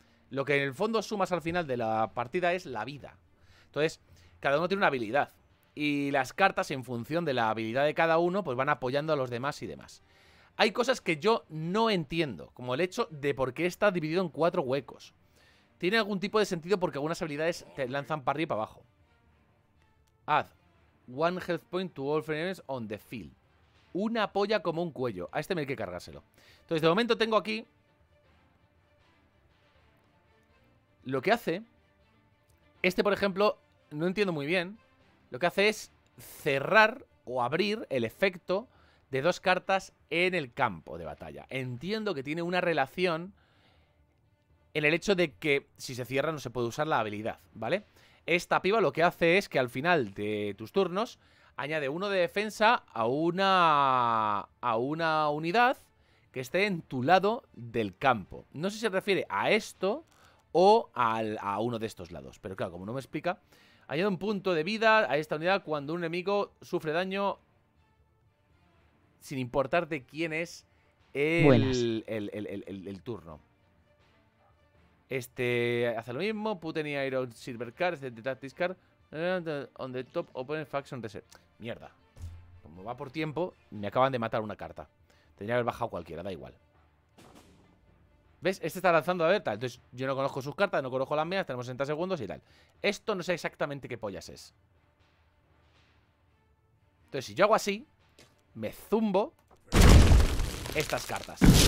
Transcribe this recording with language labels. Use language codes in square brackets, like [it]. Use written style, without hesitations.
[es] Lo que en el fondo sumas al final de la partida es la vida. Entonces, cada uno tiene una habilidad. Y las cartas, en función de la habilidad de cada uno, pues van apoyando a los demás y demás. Hay cosas que yo no entiendo, como el hecho de por qué está dividido en 4 huecos. Tiene algún tipo de sentido porque algunas habilidades te lanzan para arriba y para abajo. [en] Add 1 health point to all friends on the field. [es] Una polla como un cuello. A este me hay que cargárselo. Entonces, de momento tengo aquí... Lo que hace... Este, por ejemplo, no entiendo muy bien. Lo que hace es cerrar o abrir el efecto de 2 cartas en el campo de batalla. Entiendo que tiene una relación en el hecho de que si se cierra no se puede usar la habilidad, ¿vale? Esta piba lo que hace es que al final de tus turnos añade uno de defensa a una unidad que esté en tu lado del campo. No sé si se refiere a esto o a uno de estos lados, pero claro, como no me explica, añade un punto de vida a esta unidad cuando un enemigo sufre daño sin importar de quién es el turno. Este hace lo mismo. [en] Put any iron silver card, the tactics card on the top opponent faction reset. [es] Mierda. Como va por tiempo, me acaban de matar una carta. Tendría que haber bajado cualquiera, da igual. ¿Ves? Este está lanzando a ver tal. Entonces, yo no conozco sus cartas, no conozco las mías, tenemos 60 segundos y tal. Esto no sé exactamente qué pollas es. Entonces, si yo hago así, me zumbo estas cartas.